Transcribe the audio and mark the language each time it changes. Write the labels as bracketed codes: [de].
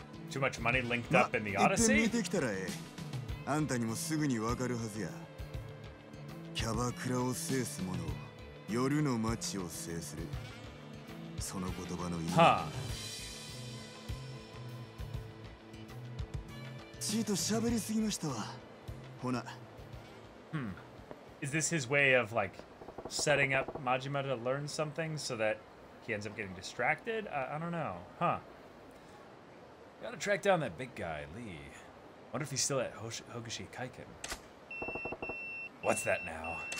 [en] Too much money linked up in the Odyssey? [ja] 見てきたらええ。あんたにもすぐにわかるはずや。キャバクラを制す者は夜の街を制する。その言葉の意味。ちーと喋りすぎましたわ。ほな。 [en] Is this his way of like setting up Majima to learn something so that he ends up getting distracted? I don't know. Gotta track down that big guy, Lee. Wonder if he's still at Hokushi Kaiken. What's that now?